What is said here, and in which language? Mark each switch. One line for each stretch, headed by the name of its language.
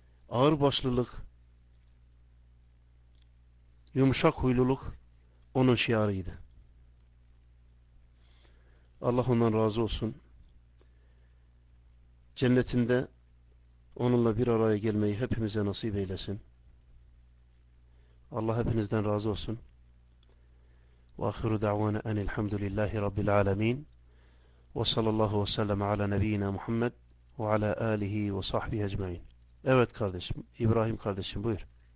Turkish: Ağırbaşlılık, yumuşak huyluluk onun şiarıydı. Allah ondan razı olsun. Cennetinde onunla bir araya gelmeyi hepimize nasip eylesin. Allah hepinizden razı olsun.
Arabic: وآخر دعوانا أن الحمد لله رب العالمين وصلى الله وسلم على نبينا محمد وعلى آله وصحبه أجمعين.
Turkish: Evet kardeşim, İbrahim kardeşim buyur.